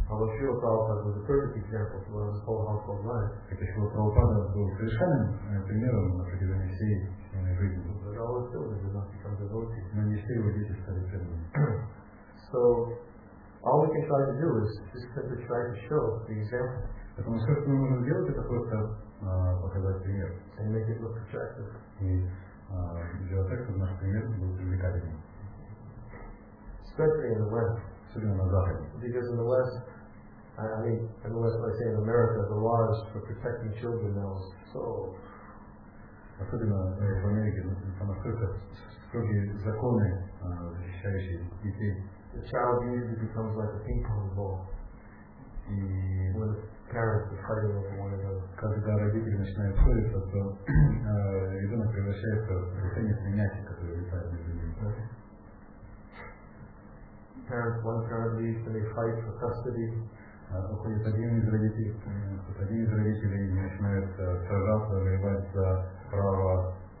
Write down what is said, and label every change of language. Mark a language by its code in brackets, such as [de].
[en] Although Шрила Прабхупада was a perfect example for his whole household life. [ru] Хотя Шрила Прабхупада был совершенным примером на протяжении всей семейной жизни. [en] But all his children did not become devotees. [ru] Но не все его дети стали преданными. [en] So, all we can try to do is just simply try to show the example. [ru] Поэтому все, что мы можем делать, это просто показать пример. [en] And make it look attractive. [ru] И сделать так, чтобы наш пример был привлекательным. [en] Especially in the West. [ru] Особенно на Западе. [en] Because in the West, in America, the laws for protecting children now is so... [ru] Особенно в Америке, там настолько строгие законы, защищающие детей. [en] The child usually becomes like a ping-pong ball. [ru] И когда родители начинают ссориться, то ребенок превращается в теннисный мяч, который летает между ними. Уходит один из родителей, и начинает сражаться, воевать за право